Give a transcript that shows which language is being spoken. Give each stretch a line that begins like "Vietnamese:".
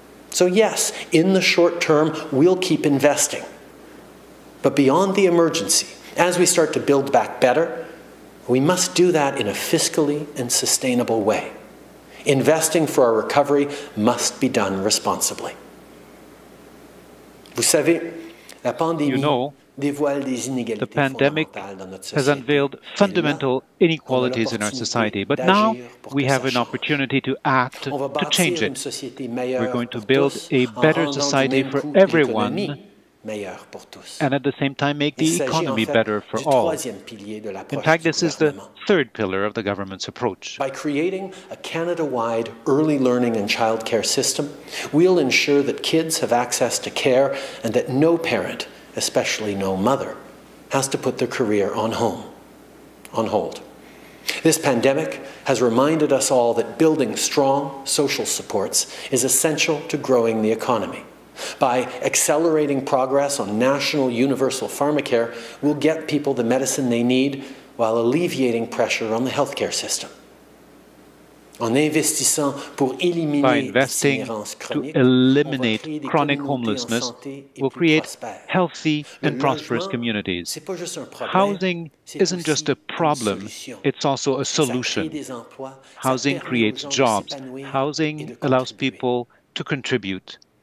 English: So yes, in the short term, we'll keep investing. But beyond the emergency, as we start to build back better, we must do that in a fiscally and sustainable way. Investing for our recovery must be done responsibly.
French: Vous savez, la pandémie dévoile des inégalités.
English: The pandemic has unveiled fundamental inequalities in our society, but now we have an opportunity to act to change it. We're going to build a better society for everyone, and at the same time make the economy better for all. In fact, this is the third pillar of the government's approach. By creating a Canada-wide early learning and childcare system, we'll ensure that kids have access to care and that no parent, especially no mother, has to put their career on hold. This pandemic has reminded us all that building strong social supports is essential to growing the economy. By accelerating progress on national universal pharmacare, we'll get people the medicine they need while alleviating pressure on the healthcare system.
French: En investissant pour éliminer
English: By investing to eliminate chronic homelessness, we'll create healthy and prosperous communities. Housing isn't just a problem, it's also a solution. Housing creates jobs. Housing allows people to contribute.